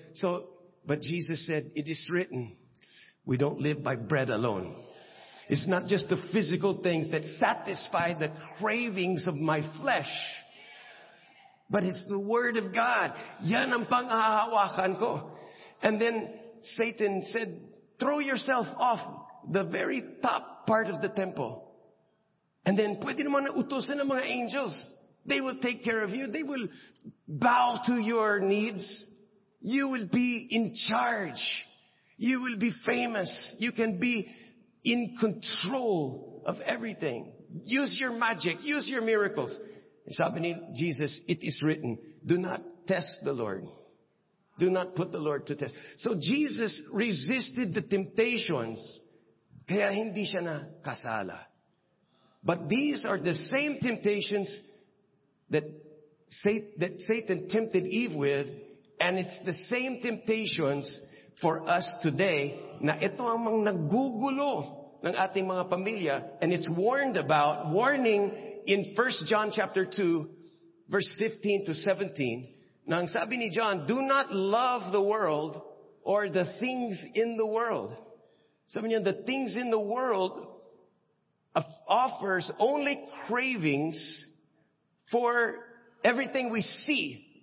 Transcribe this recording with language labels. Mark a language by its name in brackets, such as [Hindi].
[English] So, but Jesus said, it is written, we don't live by bread alone. It's not just the physical things that satisfy the cravings of my flesh. But it's the Word of God. [Filipino] Yan ang pang-ahawakan ko. [English] And then Satan said, throw yourself off the very top part of the temple. And then [Filipino] pwede naman na utusin ang mga angels. [English] They will take care of you. They will bow to your needs. You will be in charge. You will be famous. You can be in control of everything. Use your magic. Use your miracles. [Filipino] Sabi ni [English] Jesus, it is written, do not test the Lord. Do not put the Lord to test. So Jesus resisted the temptations. [Filipino] Kaya hindi siya na kasala. [English] But these are the same temptations that Satan tempted Eve with. And it's the same temptations for us today [Filipino] na ito ang mga nagugulo ng ating mga pamilya. [English] And it's warning in 1 John chapter 2, verse 15 to 17. [Filipino] Na ang sabi ni [English] John, do not love the world or the things in the world. [Filipino] Sabi niya, [English] the things in the world offers only cravings for everything we see.